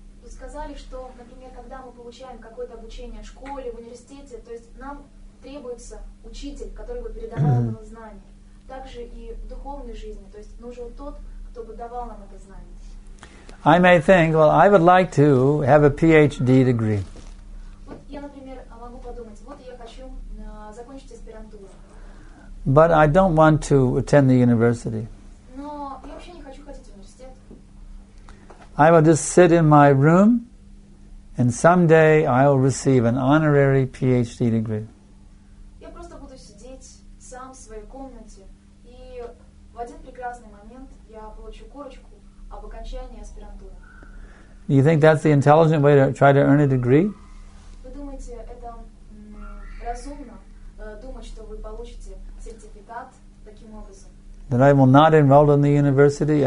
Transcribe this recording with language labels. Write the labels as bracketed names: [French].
[Russian] Сказали, что, например, когда мы получаем какое-то обучение в школе, в университете, то есть нам требуется учитель, который бы передавал нам знания. Также и в духовной жизни, то есть нужен тот, кто бы давал нам это знание. [English] I may think, well, I would like to have a PhD degree. [Russian] Вот я, например, могу подумать, вот я хочу закончить аспирантуру. [English] But I don't want to attend the university. [Russian] Но я вообще не хочу [English] I will just sit in my room, and someday I will receive an honorary PhD degree. [Russian] Я просто буду сидеть сам в своей комнате, и в один прекрасный момент я получу корочку об окончании аспирантуры. [English] Do you think that's the intelligent way to try to earn a degree? [Russian] Вы думаете, это разумно думать, что вы получите сертификат таким образом? [English] That I will not enroll in the university.